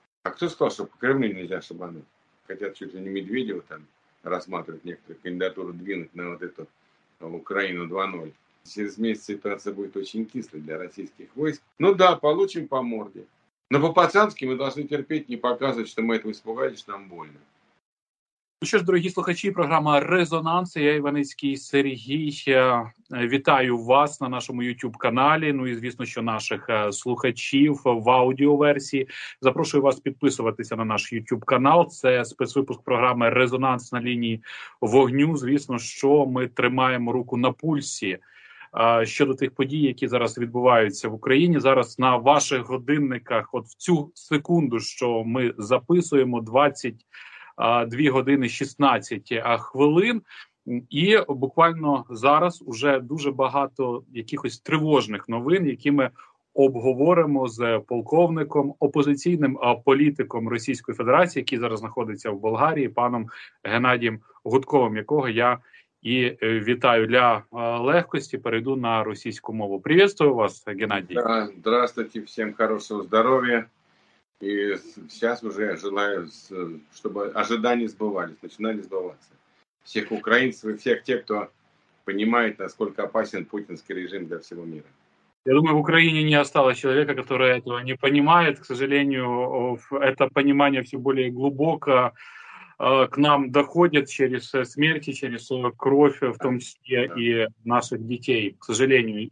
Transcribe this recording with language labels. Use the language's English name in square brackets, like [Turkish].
[Russian] А кто сказал, что по Кремлю нельзя шабануть? Хотят чуть ли не Медведева там рассматривать некоторые кандидатуры, двинуть на вот эту Украину 2.0. Через месяц ситуация будет очень кислой для российских войск. Ну да, получим по морде. Но по-пацански мы должны терпеть, не показывать, что мы этого испугались, что нам больно. [Ukrainian] Ну що ж, дорогі слухачі, програма «Резонанс», я Іваницький Сергій, вітаю вас на нашому YouTube-каналі, ну і, звісно, що наших слухачів в аудіоверсії. Запрошую вас підписуватися на наш YouTube-канал, це спецвипуск програми «Резонанс» на лінії вогню. Звісно, що ми тримаємо руку на пульсі щодо тих подій, які зараз відбуваються в Україні. Зараз на ваших годинниках, от в цю секунду, що ми записуємо, 2 години 16 хвилин, і буквально зараз уже дуже багато якихось тривожних новин, які ми обговоримо з полковником, опозиційним політиком Російської Федерації, який зараз знаходиться в Болгарії, паном Геннадієм Гудковим, якого я і вітаю. Для легкості перейду на російську мову. Привітаю вас, Геннадій. [Russian] Здравствуйте, [Ukrainian] всім хорошого здоров'я. [Russian] И сейчас уже желаю, чтобы ожидания сбывались, начинали сбываться. Всех украинцев и всех тех, кто понимает, насколько опасен путинский режим для всего мира. Я думаю, в Украине не осталось человека, который этого не понимает. К сожалению, это понимание все более глубоко к нам доходит через смерти, через кровь, в том числе и наших детей, к сожалению.